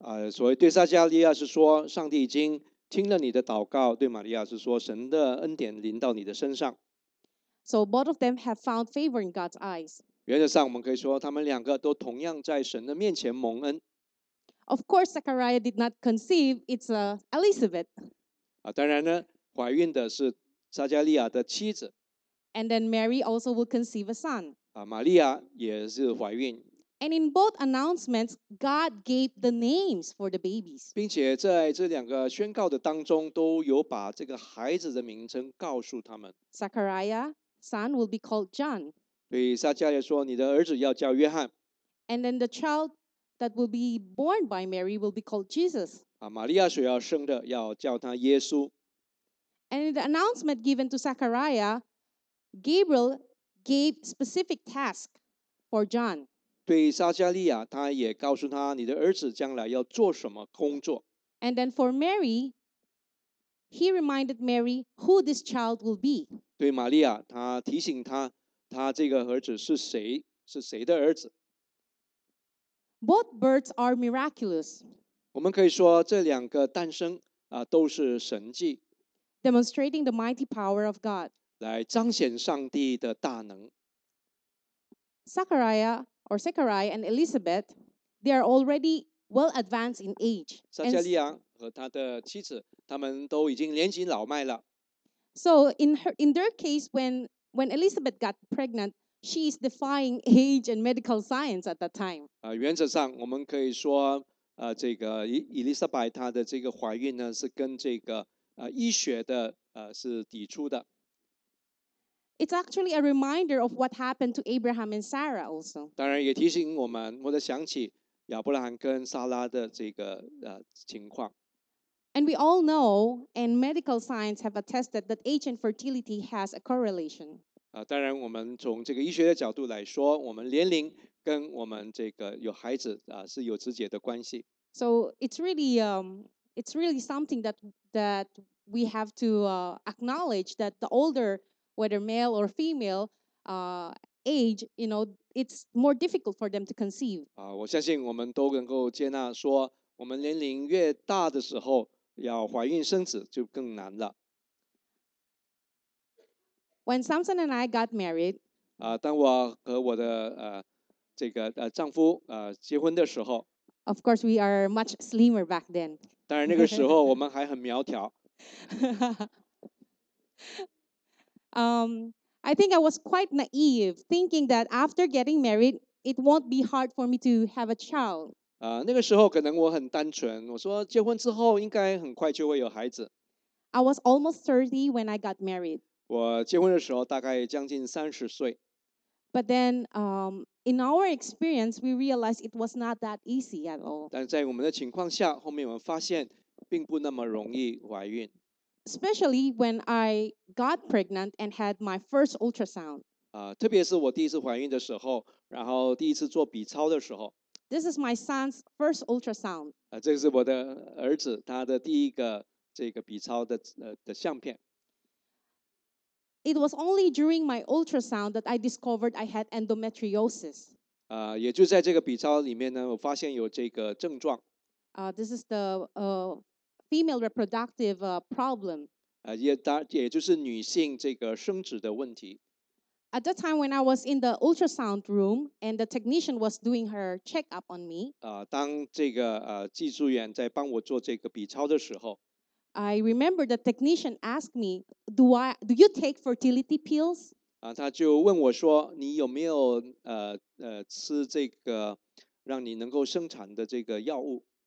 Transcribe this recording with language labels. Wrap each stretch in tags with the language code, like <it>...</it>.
<zh>所以对撒加利亚是说上帝已经听了你的祷告，对玛利亚是说神的恩典临到你的身上。</zh> <en>So both of them have found favor in God's eyes.</en> <zh>原则上我们可以说他们两个都同样在神的面前蒙恩。</zh> <en>of course, Zechariah did not conceive. It's Elizabeth.</en> <zh>当然呢，怀孕的是撒加利亚的妻子。</zh> <en>And then Mary also will conceive a son.</en> <zh>玛利亚也是怀孕。</zh> <en>And in both announcements, God gave the names for the babies.</en> <zh>并且在这两个宣告的当中，都有把这个孩子的名称告诉他们。</zh> <en>Zechariah's son will be called John.</en> <zh>对撒加利亚说，你的儿子要叫约翰。</zh> <en>And then the child that will be born by Mary will be called Jesus.</en> <zh>玛利亚所要生的要叫他耶稣。</zh> <en>And in the announcement given to Zechariah, Gabriel gave specific task for John.</en> <zh>对撒加利亚，他也告诉他，你的儿子将来要做什么工作。</zh> <en>And then for Mary, he reminded Mary who this child will be.</en> <zh>对玛利亚，他提醒他，他这个儿子是谁，是谁的儿子。</zh> <en>Both births are miraculous.</en> <zh>我们可以说这两个诞生啊，都是神迹。</zh> <en>Demonstrating the mighty power of God.</en> <zh>来彰显上帝的大能。</zh> <en>Zechariah. Or Zechariah and Elizabeth, they are already well advanced in age.</en> <zh>撒加利亚和他的妻子，他们都已经年近老迈了。</zh> <en>So in their case, when Elizabeth got pregnant, she is defying age and medical science at that time.</en> <zh>原则上我们可以说，这个伊丽莎白她的这个怀孕呢，是跟这个医学的是抵触的。</zh> <en>It's actually a reminder of what happened to Abraham and Sarah also.</en> <zh>当然也提醒我们，或者想起亚伯拉罕跟撒拉的这个情况。</zh> <en>And we all know, and medical science have attested that age and fertility has a correlation.</en> <zh>当然我们从这个医学的角度来说，我们年龄跟我们这个有孩子是有直接的关系。</zh> <en>So it's really something that we have to acknowledge that the older,whether male or female, age, you know, it's more difficult for them to conceive.</en> <zh>我相信我们都能够接纳说，我们年龄越大的时候，要怀孕生子就更难了。</zh> <en>When Samson and I got married,</en> <zh>当我和我的这个丈夫结婚的时候</zh> <en>，Of course, we are much slimmer back then.</en> <zh>当然那个时候我们还很苗条。</zh> <en>I think I was quite naive, thinking that after getting married, it won't be hard for me to have a child.</en> <zh>那个时候可能我很单纯，我说结婚之后应该很快就会有孩子。</zh> <en>I was almost 30 when I got married.</en> <zh>我结婚的时候大概将近30岁。</zh> <en>But then, in our experience, we realized it was not that easy at all.</en> <zh>但在我们的情况下，后面我们发现并不那么容易怀孕。</zh> <en>Especially when I got pregnant and had my first ultrasound.</en> <zh>特别是我第一次怀孕的时候，然后第一次做 B 超的时候。</zh> <en>This is my son's first ultrasound.</en> <zh>这是我的儿子他的第一个这个 B 超的相片。</zh> <en>It was only during my ultrasound that I discovered I had endometriosis.</en> <zh>也就在这个 B 超里面呢，我发现有这个症状。</zh> <en>This is the female reproductive problem.</en> <zh>也就是女性这个生殖的问题。</zh> <en>At that time when I was in the ultrasound room and the technician was doing her checkup on me.</en> <zh>当这个技术员在帮我做这个 B 超的时候。</zh> <en>I remember the technician asked me, do you take fertility pills?</en> <zh>他就问我说，你有没有吃这个让你能够生产的这个药物？</zh>